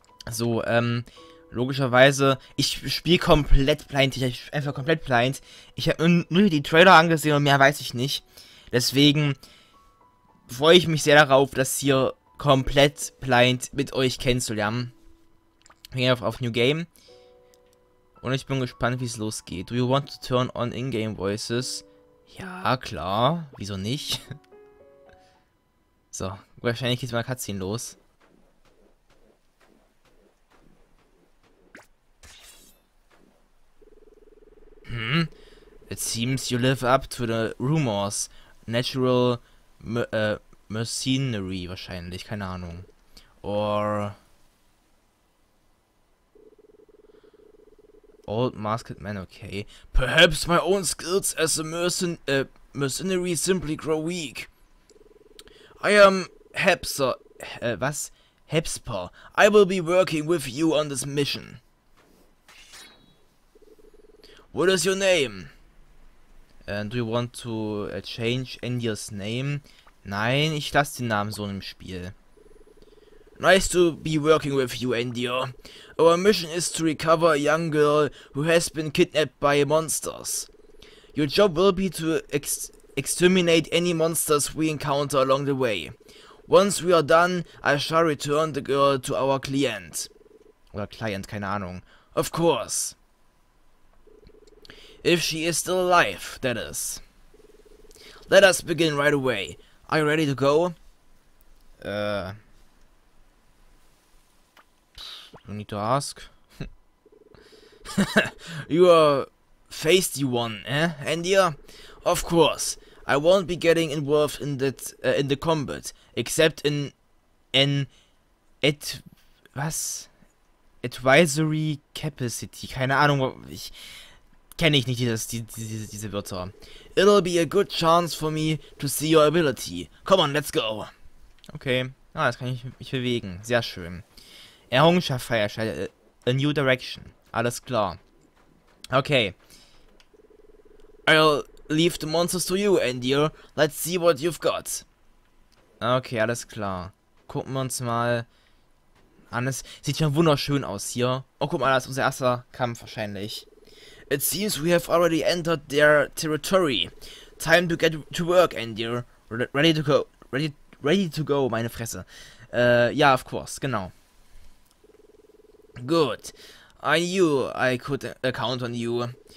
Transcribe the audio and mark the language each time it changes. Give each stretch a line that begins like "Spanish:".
German: So, logischerweise, ich spiele komplett blind, Ich habe nur die Trailer angesehen und mehr weiß ich nicht. Deswegen freue ich mich sehr darauf, das hier komplett blind mit euch kennenzulernen. Wir gehen auf New Game. Und ich bin gespannt, wie es losgeht.
English: Do you want to turn on in-game voices?
German: Ja, klar. Wieso nicht? So, wahrscheinlich geht es mit einer Cutscene los. Hm?
English: It seems you live up to the rumors. Natural Mercenary
German: wahrscheinlich, keine Ahnung.
English: Or Old Masked Man, okay. Perhaps my own skills as a mercenary simply grow weak. I am Hepsper. I will be working with you on this mission. What is your name? Do you want to change Andy's name?
German: Nein, ich lasse den Namen so im Spiel.
English: Nice to be working with you, Andir. Our mission is to recover a young girl who has been kidnapped by monsters. Your job will be to exterminate any monsters we encounter along the way. Once we are done, I shall return the girl to our client.
German: Oder Client, keine Ahnung.
English: Of course. If she is still alive, that is. Let us begin right away. Are you ready to go? You need to ask. You are feisty one, eh, Andir? Of course. I won't be getting involved in that in the combat, except in advisory capacity.
German: Keine Ahnung, ich kenne ich nicht diese Wörter.
English: It'll be a good chance for me to see your ability. Come on, let's go. Okay.
German: Ah, jetzt kann ich mich bewegen. Sehr schön. Errungenschaft freigeschaltet.
English: A new direction.
German: Alles klar. Okay.
English: I'll leave the monsters to you, Andir. Let's see what you've got.
German: Okay, alles klar. Gucken wir uns mal an. Es sieht schon wunderschön aus hier. Oh, guck mal, das ist unser erster Kampf wahrscheinlich.
English: It seems we have already entered their territory. Time to get to work, Andir. Ready to go. Ready to go,
German: meine Fresse.
English: Yeah, of course,
German: genau.
English: Good. I knew I could count on you.